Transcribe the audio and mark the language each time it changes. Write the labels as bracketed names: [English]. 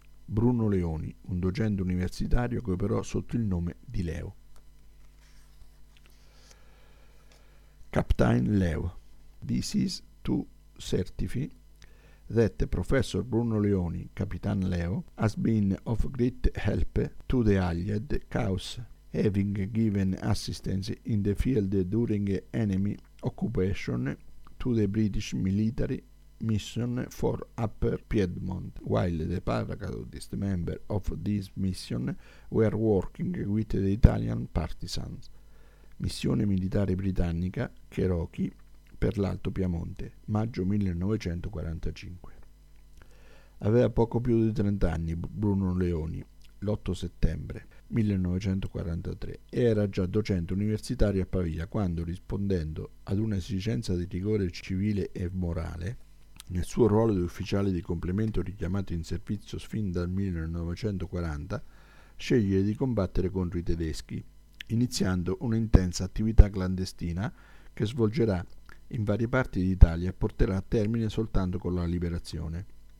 [Italian] Bruno Leoni, un docente universitario che operò sotto il nome di Leo. [English] Captain Leo, this is to certify that Professor Bruno Leoni, Capitan Leo, has been of great help to the Allied cause, having given assistance in the field during enemy occupation to the British military mission for Upper Piedmont, while the paracadutist members of this mission were working with the Italian partisans. [Italian] Missione militare britannica Cherokee per l'Alto Piemonte, maggio 1945. Aveva poco più di 30 anni Bruno Leoni, l'8 settembre 1943, era già docente universitario a Pavia quando, rispondendo ad un'esigenza di rigore civile e morale, nel suo ruolo di ufficiale di complemento richiamato in servizio fin dal 1940, sceglie di combattere contro i tedeschi, iniziando un'intensa attività clandestina che svolgerà in varie parti d'Italia e porterà a termine soltanto con la liberazione.